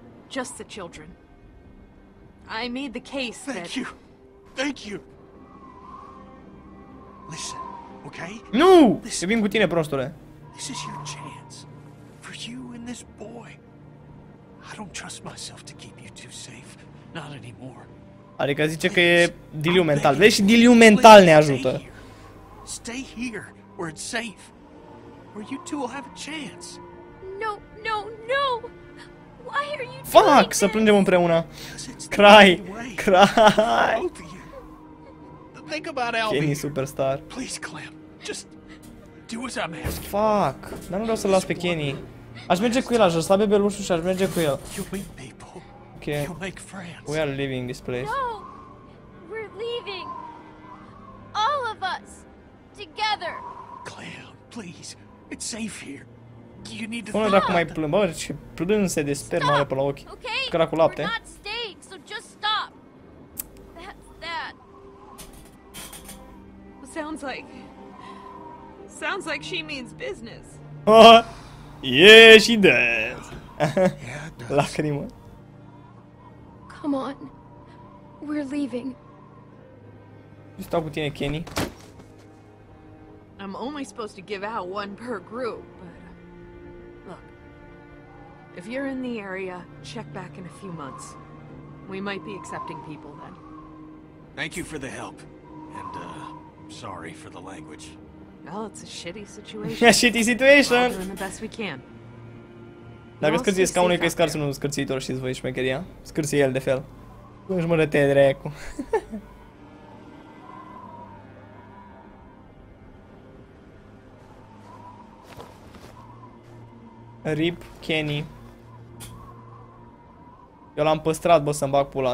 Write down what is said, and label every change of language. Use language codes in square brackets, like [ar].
[en] Just the children. I made the case that... Thank you. Thank you. Listen, okay? [ro] Nu! Eu vin cu tine, prostule. [en] This is your chance. For you. This boy, I don't trust myself to keep you two safe, not anymore. [ro] Adică zice că e diliu mental. Vezi, și diliu mental ne ajută. [en] Stay here, where it's safe, where you two will have a chance. No, no, no! Why are you? Fuck! [ro] Să plângem împreună. [en] Cry, cry. Think about Albie. Kenny superstar. Please, Clem, just do as I'm asking. Fuck! [ro] Dar nu vreau să-l las pe Kenny. Aș merge cu el, aș lăsa bebelușul și aș merge cu el. [en] Ok. We are leaving this place. No! We're leaving! All of us! Together! Clem, please! It's safe here! You need to stop! [ro] Până dacă mai plâng, bă, ce plâng se desper mare pe la ochi. [en] Ok? [ro] Căra cu lapte. [en] We're not staying, so just stop! That... Sounds like she means business. Yeah, she does. [ro] Lacrimă. [en] Come on. We're leaving. [ro] Eu stau cu tine, Kenny. [en] I'm only supposed to give out one per group, but look. If you're in the area, check back in a few months. We might be accepting people then. Thank you for the help. And sorry for the language. Well, it's a shitty situation. Shitty situation. We're doing the best we can. [ro] Dacă scârție scaunul e că e scarsul unul scârțitor, știți voi șmecheria? Scârție el de fel. Nu-și mă rătăie dreacu. RIP Kenny. Eu l-am păstrat, bă, să-mi bag pula.